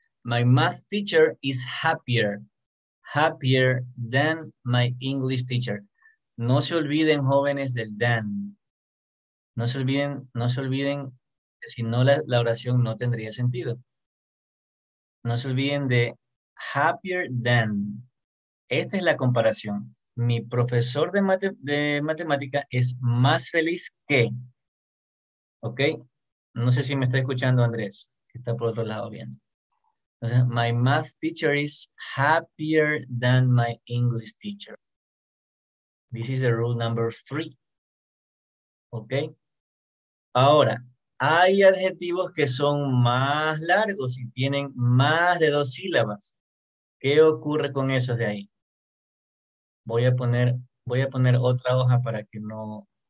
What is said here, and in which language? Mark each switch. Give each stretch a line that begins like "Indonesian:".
English: My math teacher is happier than my English teacher.
Spanish: No se olviden, jóvenes, del than. No se olviden, si no la oración no tendría sentido. No se olviden de happier than. Esta es la comparación. Mi profesor de matemática es más feliz que. ¿Ok? No sé si me está escuchando Andrés, que está por otro lado viendo.
English: Entonces, my math teacher is happier than my English teacher. This is the rule number 3. ¿Ok?
Spanish: Ahora, hay adjetivos que son más largos y tienen más de 2 sílabas. ¿Qué ocurre con esos de ahí? Voy a poner otra hoja para que no...